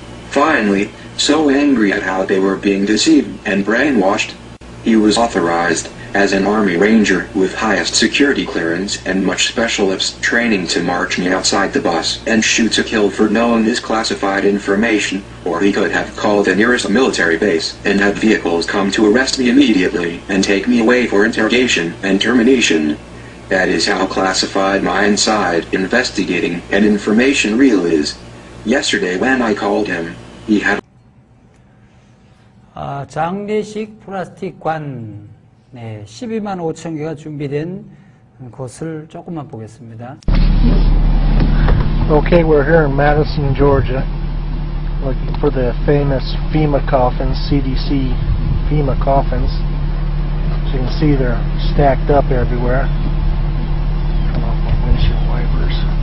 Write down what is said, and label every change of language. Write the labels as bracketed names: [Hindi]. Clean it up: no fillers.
[English] Finally, so angry at how they were being deceived and brainwashed, he was authorized as an army ranger with highest security clearance and much specialist training to march me outside the bus and shoot to kill for knowing this classified information, or he could have called the nearest military base and had vehicles come to arrest me immediately and take me away for interrogation and termination. That is how classified my inside investigating and information real is. Yesterday when I called him, he had [Korean] 장례식 플라스틱 관 네, 12만 5천 개가 준비된 곳을 조금만 보겠습니다. [English] Okay, we're here in Madison, Georgia, looking for the famous FEMA coffins, CDC FEMA coffins. As you can see, they're stacked up everywhere. Come off my windshield wipers.